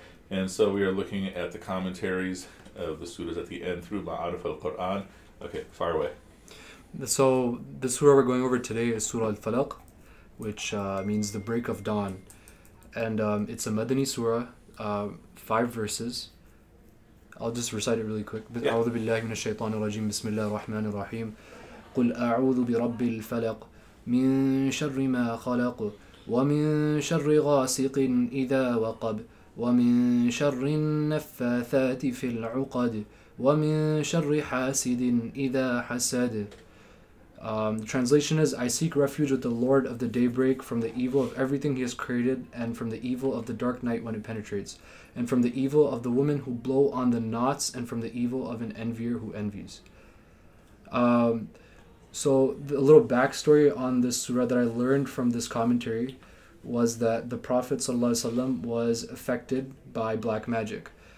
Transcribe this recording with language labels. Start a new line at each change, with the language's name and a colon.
English: And so we are looking at the commentaries of the surahs at the end through Maariful Quran. Okay, fire away. So the surah we're going over today is Surah Al-Falaq, which means the break of dawn. And it's a Madani surah, five verses. I'll just recite it really quick.
Arabic: أعوذ بالله من الشيطان الرجيم بسم الله الرحمن الرحيم قل أعوذ برب الفلق من شر ما خلق ومن شر غاسق إذا وقب ومن شر النفاثات في العقد ومن شر حاسد إذا حسد.
English: The translation is, I seek refuge with the Lord of the daybreak from the evil of everything he has created and from the evil of the dark night when it penetrates and from the evil of the woman who blow on the knots and from the evil of an envier who envies. So a little backstory on this surah that I learned from this commentary was that the Prophet ﷺ was affected by black magic.